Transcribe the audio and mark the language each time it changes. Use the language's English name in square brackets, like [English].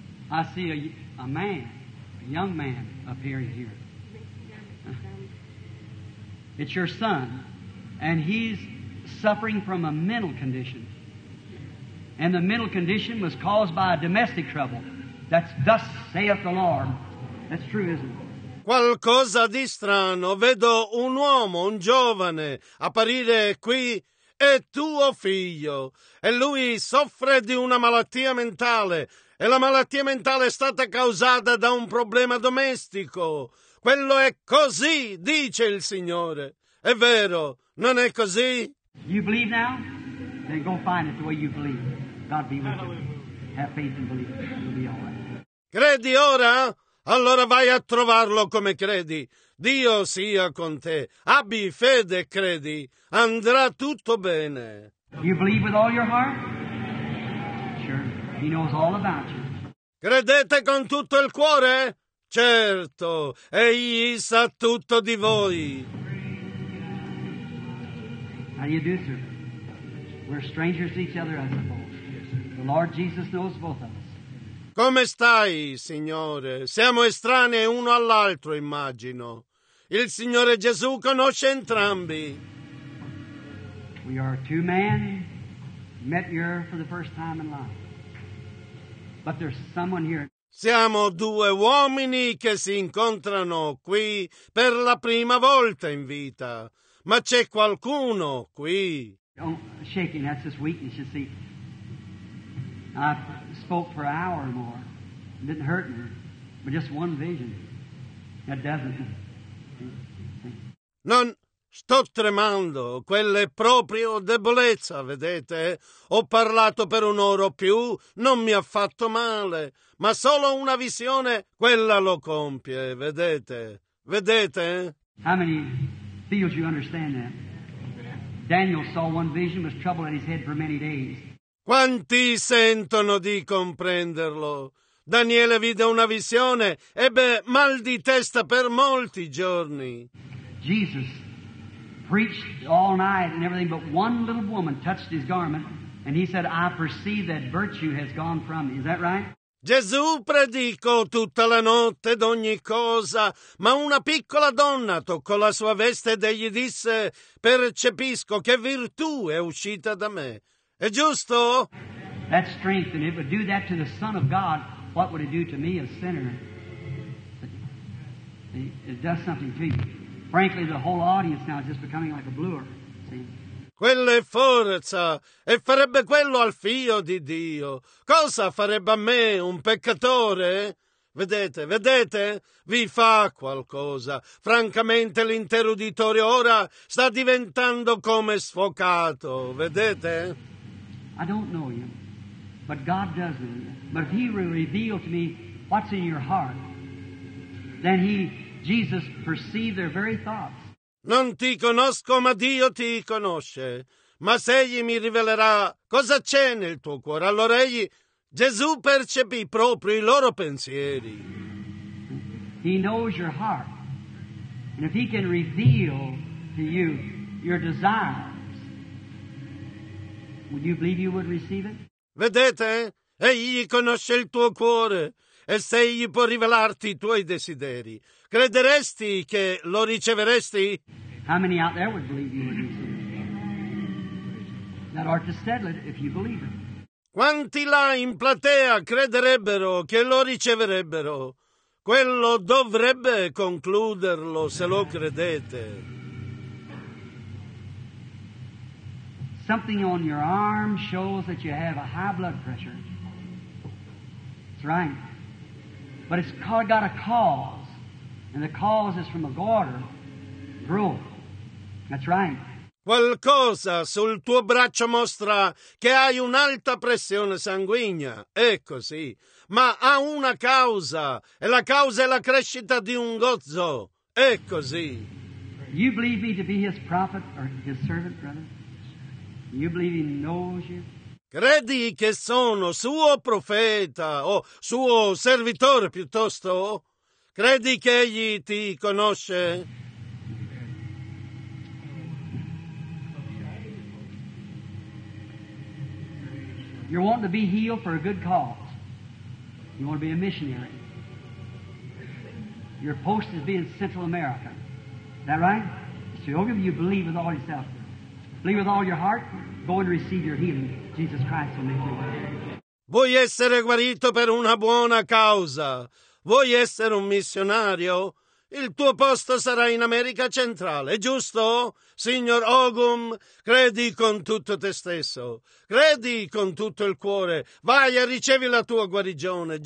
[English] I see a man, a young man appearing here. It's your son, and he's suffering from a mental condition. And the mental condition was caused by a domestic trouble. That's thus saith the Lord. That's true, isn't it? [Italian] Qualcosa di strano. Vedo un uomo, un giovane, apparire qui. È tuo figlio. E lui soffre di una malattia mentale. E la malattia mentale è stata causata da un problema domestico. Quello è così, dice il Signore. È vero, non è così? [English] You believe now? Then go find it the way you believe. God be with you. Have faith and believe. You'll be all right. [Italian] Credi ora? Allora vai a trovarlo come credi. Dio sia con te. Abbi fede e credi. Andrà tutto bene. [English] You believe with all your heart? Sure. He knows all about you. [Italian] Credete con tutto il cuore? Certo, egli sa tutto di voi. [English] How do you do, sir? We're strangers to each other, I suppose. The Lord Jesus knows both of us. [Italian] Come stai, signore? Siamo estranei uno all'altro, immagino. Il Signore Gesù conosce entrambi. [English] We are two men met here for the first time in life. But there's someone here. [Italian] Siamo due uomini che si incontrano qui per la prima volta in vita. Ma c'è qualcuno qui. [English] Oh, shaking, that's his weakness, you see. I spoke for an hour or more. It didn't hurt me, but just one vision. That doesn't. [Italian] Non sto tremando. Quella è proprio debolezza, vedete? Ho parlato per un'ora o più, non mi ha fatto male. Ma solo una visione, quella lo compie, vedete? Vedete? [English] How many feels you understand that? Daniel saw one vision, was troubled in his head for many days. [Italian] Quanti sentono di comprenderlo? Daniele vide una visione, ebbe mal di testa per molti giorni. [English] Jesus preached all night and everything, but one little woman touched his garment, and he said, I perceive that virtue has gone from me. Is that right? [Italian] Gesù predicò tutta la notte ed ogni cosa, ma una piccola donna toccò la sua veste ed egli disse, percepisco che virtù è uscita da me. È giusto? [English] That strength, and it would do that to the Son of God, what would it do to me, a sinner? It does something to you. Frankly, the whole audience now is just becoming like a blur. [Italian] Quella è forza, e farebbe quello al figlio di Dio. Cosa farebbe a me, un peccatore? Vedete, vedete? Vi fa qualcosa. Francamente, l'intero uditorio ora sta diventando come sfocato, vedete? [English] I don't know you, but God does know you. But if he will reveal to me what's in your heart, then he, Jesus, perceived their very thoughts. [Italian] Non ti conosco, ma Dio ti conosce. Ma se egli mi rivelerà cosa c'è nel tuo cuore, allora egli, Gesù, percepì proprio i loro pensieri. [English] He knows your heart. And if he can reveal to you your desires, would you believe you would receive it? [Italian] Vedete? Egli conosce il tuo cuore. E se egli può rivelarti i tuoi desideri, crederesti che lo riceveresti? [English] How many out there would believe you would receive it? That art to settle it if you believe it. [Italian] Quanti là in platea crederebbero che lo riceverebbero? Quello dovrebbe concluderlo se lo credete. [English] Something on your arm shows that you have a high blood pressure. It's right. But it's got a cause. And the cause is from a garter growth. That's right. [Italian] Qualcosa sul tuo braccio mostra che hai un'alta pressione sanguigna. È così. Ma ha una causa, e la causa è la crescita di un gozzo. È così. [English] You believe me to be his prophet or his servant, brother? You believe he knows you? [Italian] Credi che sono suo profeta o suo servitore piuttosto? Credi che egli ti conosce? [English] You want to be healed for a good cause. You want to be a missionary. Your post is being Central America. Is that right? So you you believe with all yourself. Believe with all your heart. Go and receive your healing. Jesus Christ will make you well. [Italian] Vuoi essere guarito per una buona causa? Vuoi essere un missionario? Il tuo posto sarà in America Centrale, giusto? Signor Ogum, credi con tutto te stesso. Credi con tutto il cuore. Vai e ricevi la tua guarigione.